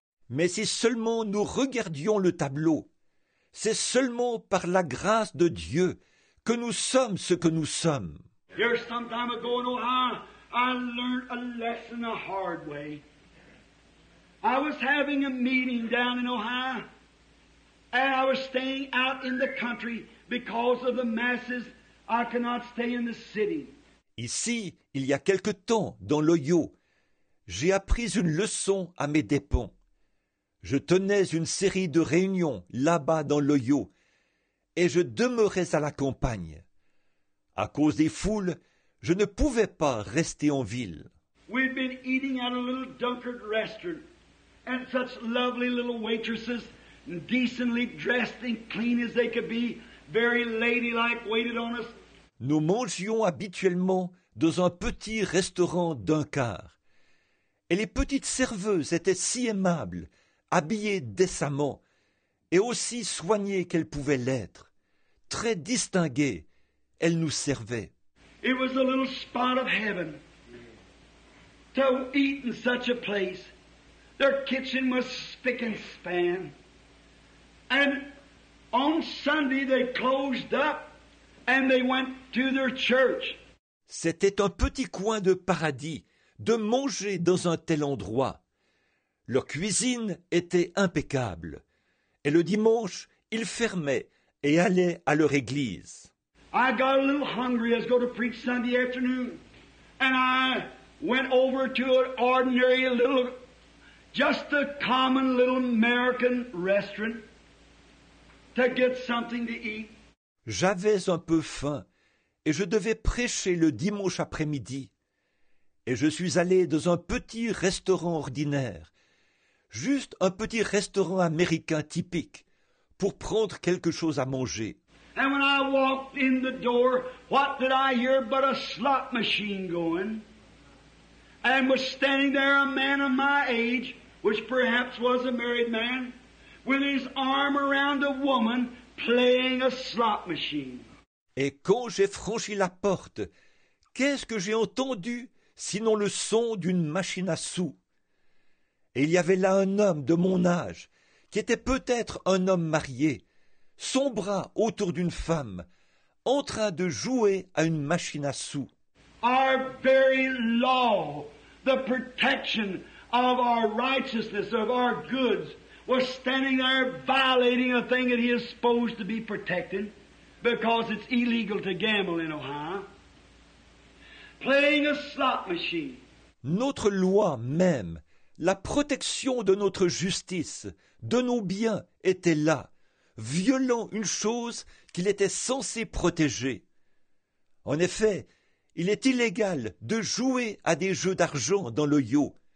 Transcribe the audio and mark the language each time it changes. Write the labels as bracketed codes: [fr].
[fr] Mais si seulement nous regardions le tableau, c'est seulement par la grâce de Dieu que nous sommes ce que nous sommes. [en] Here some time ago in Ohio, I learned a lesson the hard way. I was having a meeting down in Ohio, and I was staying out in the country because of the masses. I cannot stay in the city. [fr] Ici, il y a quelque temps, dans l'Ohio, j'ai appris une leçon à mes dépens. Je tenais une série de réunions là-bas dans l'Ohio et je demeurais à la campagne. À cause des foules, je ne pouvais pas rester en ville. [en] We'd been eating at a little Dunkard restaurant and such lovely little waitresses, decently dressed and clean as they could be, very ladylike, waited on us. [fr] Nous mangions habituellement dans un petit restaurant Dunkard. Et les petites serveuses étaient si aimables, habillées décemment et aussi soignées qu'elles pouvaient l'être. Très distinguées, elles nous servaient. [en] It was a little spot of heaven to eat in such a place. Their kitchen was spick and span. And on Sunday they closed up and they went to their church. [fr] C'était un petit coin de paradis de manger dans un tel endroit. Leur cuisine était impeccable. Et le dimanche, ils fermaient et allaient à leur église. [en] I got a little hungry as I go to preach Sunday afternoon. And I went over to an ordinary little, just a common little American restaurant to get something to eat. [fr] J'avais un peu faim et je devais prêcher le dimanche après-midi. Et je suis allé dans un petit restaurant ordinaire. Juste un petit restaurant américain typique pour prendre quelque chose à manger. [en] And when I walked in the door, what did I hear but a slot machine going? And was standing there a man of my age, which perhaps was a married man, with his arm around a woman playing a slot machine. [fr] Et quand j'ai franchi la porte, qu'est-ce que j'ai entendu sinon le son d'une machine à sous? Et il y avait là un homme de mon âge, qui était peut-être un homme marié, son bras autour d'une femme, en train de jouer à une machine à sous. [en] Our very law, the protection of our righteousness, of our goods, was standing there violating a thing that he is supposed to be protecting, because it's illegal to gamble in Ohio, playing a slot machine. [fr] Notre loi même, la protection de notre justice, de nos biens, était là, violant une chose qu'il était censé protéger. En effet, il est illégal de jouer à des jeux d'argent dans le Ohio.